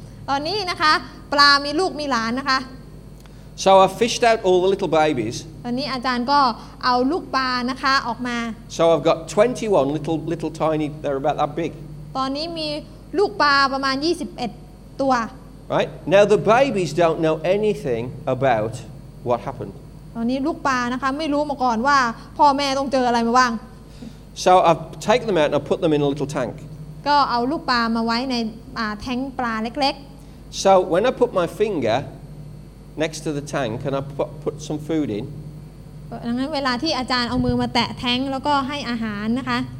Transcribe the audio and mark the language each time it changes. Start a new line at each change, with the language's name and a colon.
Thai: ตอนนี้นะคะปลามีลูกมีหลานนะคะ
English: So I fished out all the little babies
Thai: ตอนนี้อาจารย์ก็เอาลูกปลานะคะออกมา
English: So I've got 21 little tiny they're about that big
Thai: ตอนนี้มีลูกปลาประมาณ21ตัว
English: Right now, the babies don't know anything about what happened.
Thai: ตอนนี้ลูกปลานะคะไม่รู้มาก่อนว่าพ่อแม่ต้องเจออะไรมาบ้าง
English: So I take them out and I put them in a little tank.
Thai: ก็เอาลูกปลามาไว้ในแทงค์ปลาเล็ก
English: ๆ So when I put my finger next to the tank and I put some food in,
Thai: ดังนั้นเวลาที่อาจารย์เอามือมาแตะแทงค์แล้วก็ให้อาหารนะคะ